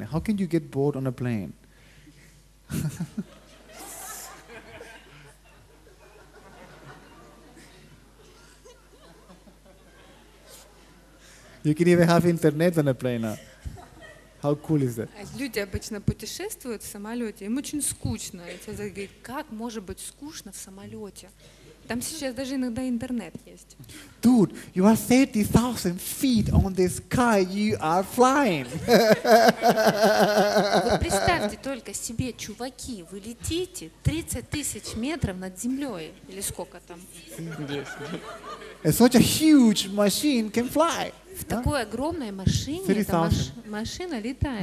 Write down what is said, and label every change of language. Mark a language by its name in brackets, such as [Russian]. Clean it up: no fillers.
[English] How can you get bored on a plane? You can even have internet on a plane now. How cool is that? [Russian] Люди обычно путешествуют в самолете, им очень скучно. И человек говорит, как может быть скучно в самолете? Там сейчас даже иногда интернет есть. [English] Dude, you are 30,000 feet on the sky, you are flying. [Russian] Вы представьте только себе, чуваки, вы летите 30,000 метров над землей, или сколько там? [English] Such a huge machine can fly. [Russian] В такой огромной машине машина летает.